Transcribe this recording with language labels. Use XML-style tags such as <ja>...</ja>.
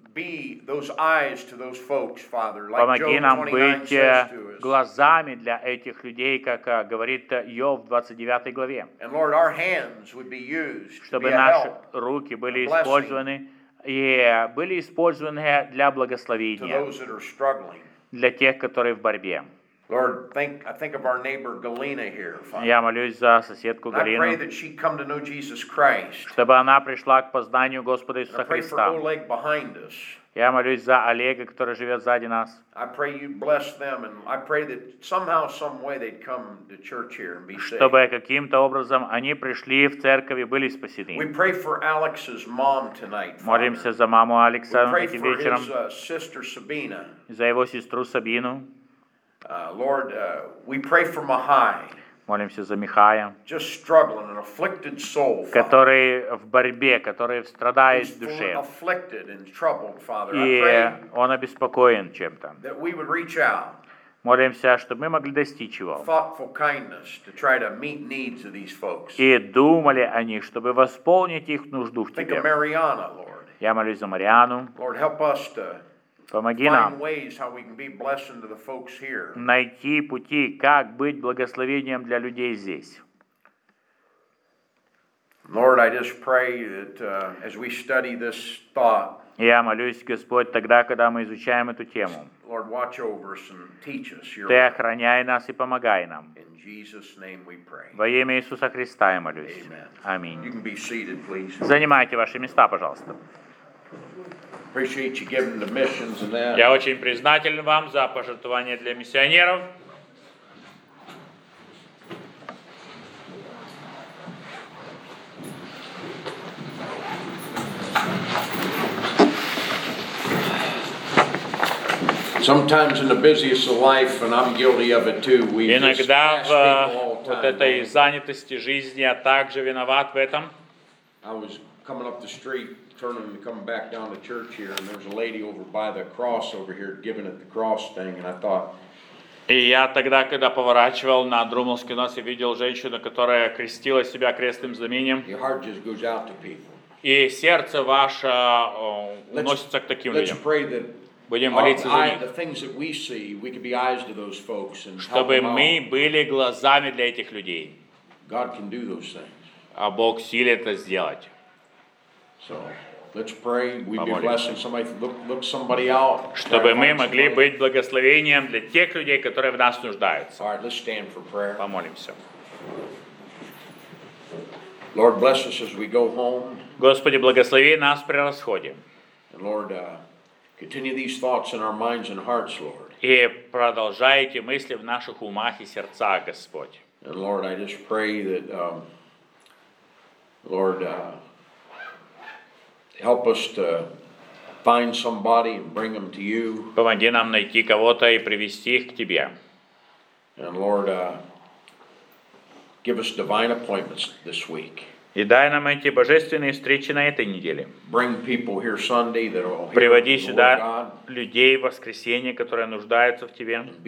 <ru>Помоги нам быть глазами для этих людей, как говорит Йов в 29 главе.</ru> <en>And Lord, our hands would be used,</en> <ru>чтобы наши руки были использованы и были использованы для благословения для тех, которые в борьбе.</ru> <en>Lord, I think of our neighbor Galina here.</en> <ru>Я молюсь за соседку Галину.</ru> <en>I pray that she come to know Jesus Christ.</en> <ru>Чтобы она пришла к познанию Господа Иисуса Христа.</ru> <en>I pray for Oleg behind us.</en> <ru>Я молюсь за Олега, который живет сзади нас.</ru> <en>I pray you bless them, and I pray that somehow, some way they'd come to church here and be saved.</en> <ru>Чтобы каким-то образом они пришли в церковь и были спасены.</ru> <en>We pray for Alex's mom tonight.</en> <ru>Молимся за маму Алекса этим вечером.</ru> <en>We pray for his sister Sabina.</en> <ru>За его сестру Сабину.</ru> <en>Lord, we pray for Mihai.</en> <ru>Молимся за Михая.</ru> <en>Just struggling, an afflicted soul, Father.</en> <ru>Который в борьбе, который страдает в душе.</ru> <en>He's afflicted and troubled, Father.</en> <ru>И он обеспокоен чем-то.</ru> <en>That we would reach out.</en> <ru>Молимся, чтобы мы могли достичь его.</ru> <en>Thoughtful kindness to try to meet needs of these folks.</en> <ru>И думали о них, чтобы восполнить их нужду в тебе.</ru> <en>Think of Mariana, Lord.</en> <ru>Я молюсь за Мариану.</ru> <en>Lord, help us to</en> <ru>Помоги</ru> <en>find</en> <ru>нам</ru> <en>ways how we can be blessing to the folks here.</en> <ru>Найти пути, как быть благословением для людей здесь.</ru> <en>Lord, I just pray that as we study this thought.</en> <ru>Я молюсь, Господь, тогда, когда мы изучаем эту тему.</ru> <en>Lord, watch over us and teach us your</en> <ru>Ты охраняй нас и помогай нам.</ru> <en>In Jesus' name we pray.</en> <ru>Во имя Иисуса Христа я молюсь.</ru> <en>Amen.</en> <ru>Аминь.</ru> <en>You can be seated, please.</en> <ru>Занимайте ваши места, пожалуйста.</ru> <en>Appreciate you giving the missions and that.</en> <ru>Я очень признателен вам за пожертвования для миссионеров.</ru> <en>Sometimes in the busiest of life, and I'm guilty of it too, we just pass people all the time.</en> <ru>Вот этой занятости жизни я также виноват в этом.</ru> <en>I was coming up the street, turning to come back down to church here, and there was a lady over by the cross over here giving it the cross thing, and I thought.</en> <ru>И я тогда, когда поворачивал на Друмовский нос, я видел женщину, которая крестила себя крестным знамением.</ru> <en>Your heart just goes out to people.</en> <ru>И сердце ваше уносится к таким людям.</ru> <en>Let's pray that.</en> <ru>Будем молиться за них.</ru> <en>The things that we see, we could be eyes to those folks and</en> <ru>чтобы мы были глазами для этих людей.</ru> <en>God can do those things.</en> <ru>А Бог силен это сделать.</ru> <en>So, let's pray. We'd be blessing somebody. Look somebody out.</en> <ru>Чтобы мы могли быть благословением для тех людей, которые в нас нуждаются.</ru> <en>All right, let's stand for prayer.</en> <ru>Помолимся.</ru> <en>Lord bless us as we go home.</en> <ru>Господи, благослови нас при расходе.</ru> <en>And Lord, continue these thoughts in our minds and hearts, Lord.</en> <ru>И продолжай эти мысли в наших умах и сердцах, Господь.</ru> <en>And Lord, I just pray that, Lord, help us to find somebody and bring them to you.</en> <ru>Помоги нам найти кого-то и привести их к тебе.</ru> <en>And Lord, give us divine appointments this week.</en> <ru>И дай нам эти божественные встречи на этой неделе. Приводи сюда людей в воскресенье, которые нуждаются в Тебе.</ru>